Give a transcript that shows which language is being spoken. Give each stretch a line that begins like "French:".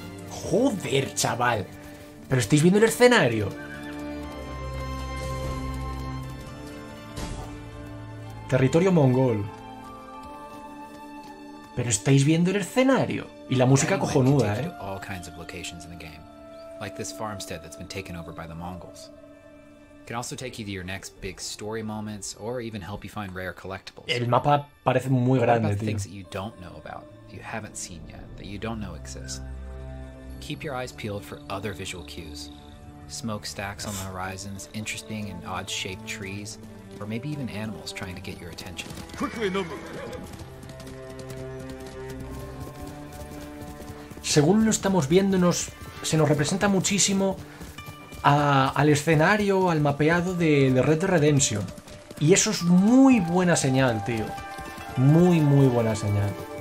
Spanish: Joder, chaval. ¿Pero estáis viendo el escenario? Territorio mongol. Pero estáis viendo el escenario y la música cojonuda, ¿eh?
English: All kinds of locations in the game, like this farmstead that's been taken over by the Mongols. Can also take you to your next big story moments or even help you find rare collectibles.
Spanish: El mapa parece muy grande, tío.
English: Things that you don't know about, you haven't seen yet, that you don't know exist. Keep your eyes peeled for other visual cues. Smokestacks on the horizons, interesting and odd-shaped trees. Or maybe even animals trying to get your attention. Quickly, Nobu.
Spanish: Según lo estamos viendo, se nos representa muchísimo al escenario, al mapeado de Red Dead Redemption. Y eso es muy buena señal, tío. Muy, muy buena señal.